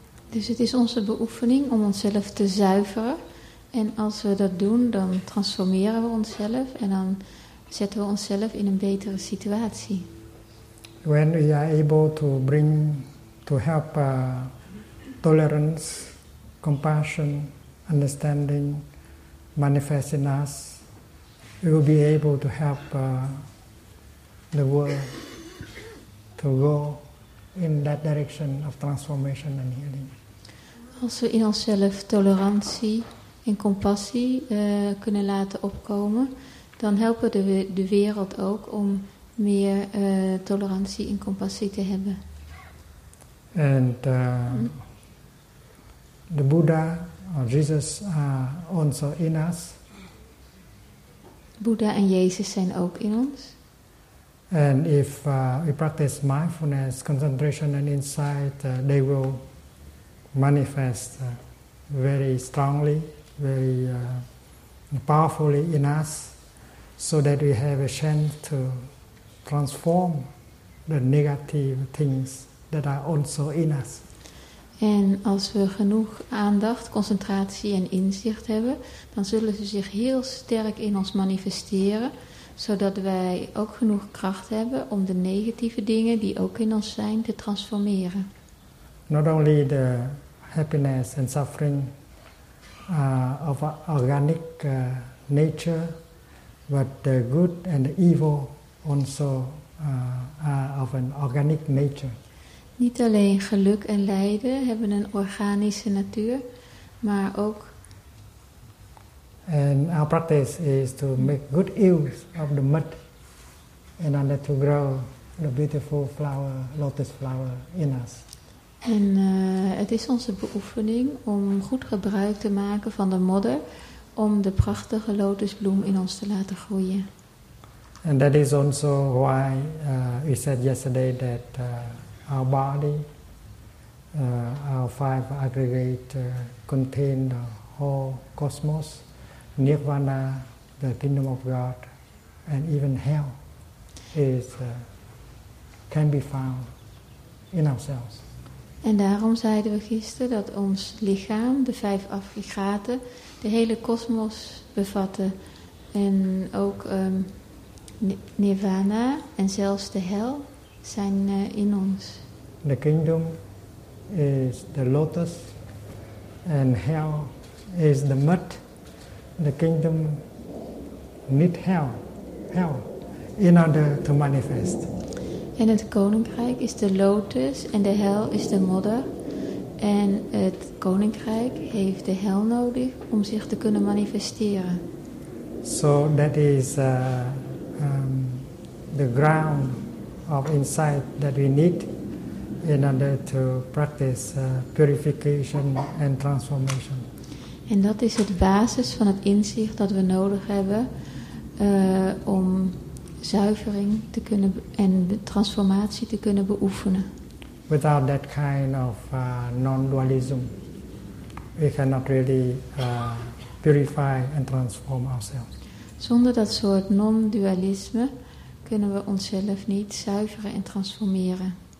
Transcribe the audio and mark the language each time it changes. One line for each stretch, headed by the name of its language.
Dutch: Dus het is onze beoefening om onszelf te zuiveren. En als we dat doen, dan transformeren we onszelf en dan zetten we onszelf in een betere situatie.
English: When we are able to bring, to help tolerance, compassion, understanding manifest in us, we will be able to help the world to go in that direction of transformation and healing.
Dutch: Als we in onszelf tolerantie en compassie kunnen laten opkomen, dan helpen we de wereld ook om meer tolerantie en compassie te hebben.
English: And the Buddha or Jesus are also in us.
Dutch: Buddha en Jezus zijn ook in ons.
English: And if we practice mindfulness, concentration and insight, they will manifest very strongly, very powerfully in us, so that we have a chance to transform the negative things that are also in us.
Dutch: En als we genoeg aandacht, concentratie en inzicht hebben, dan zullen ze zich heel sterk in ons manifesteren, zodat wij ook genoeg kracht hebben om de negatieve dingen die ook in ons zijn te transformeren.
English: Not only the happiness and suffering of organic nature, but the good and the evil also are of an organic nature.
Dutch: Niet alleen geluk en lijden hebben een organische natuur, maar ook.
English: And our practice is to make good use of the mud in order to grow the beautiful flower, lotus flower in us.
Dutch: En het is onze beoefening om goed gebruik te maken van de modder om de prachtige lotusbloem in ons te laten groeien.
English: And that is also why we said yesterday that our body, our five aggregates contain the whole cosmos, Nirvana, the kingdom of God, and even hell. can be found in ourselves.
Dutch: En daarom zeiden we gisteren dat ons lichaam, de vijf aggregaten, de hele kosmos bevatten. En ook nirvana en zelfs de hel zijn in ons.
English: The kingdom is the lotus and hell is the mud. The kingdom need hell in order to manifest.
Dutch: En het koninkrijk is de lotus en de hel is de modder. En het koninkrijk heeft de hel nodig om zich te kunnen manifesteren.
English: So that is the ground of insight that we need in order to practice purification and transformation.
Dutch: En dat is het basis van het inzicht dat we nodig hebben om zuivering te kunnen en transformatie te kunnen beoefenen.
English: Without that kind of non-dualism, we cannot really purify and transform ourselves.
Dutch: Zonder dat soort non-dualisme kunnen we onszelf niet zuiveren en transformeren.